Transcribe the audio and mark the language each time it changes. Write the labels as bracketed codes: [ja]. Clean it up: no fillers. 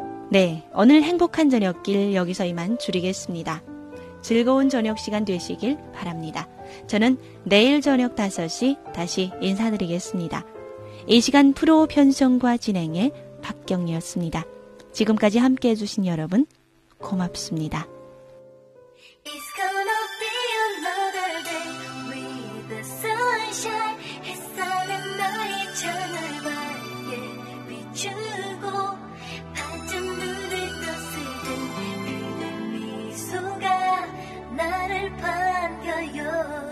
[ko] 네, 오늘 행복한 저녁길 여기서 이만 줄이겠습니다. 즐거운 저녁 시간 되시길 바랍니다. 저는 내일 저녁 5시 다시 인사드리겠습니다. 이 시간 프로 편성과 진행의 박경이었습니다. 지금까지 함께해 주신 여러분 고맙습니다. [en] It's gonna be another day with the sunshine. [ko] 햇살은 너의 전을 밝게 비추고 반쯤 눈을 떴을 때 그대 미소가 나를 반겨요.